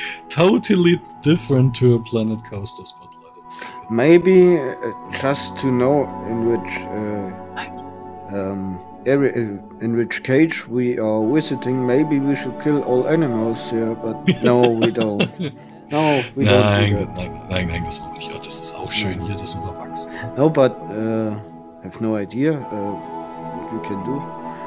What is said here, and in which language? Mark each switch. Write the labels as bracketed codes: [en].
[en] Totally different to a planet coaster spotlight. Maybe just to know in which area, in which cage we are visiting, maybe we should kill all animals here, but no, we don't. No, we [de] nein, nein, nein, nein, das machen wir nicht. Ja, das ist auch schön hier, das überwachsen. [en] No, but I have no idea what we can do.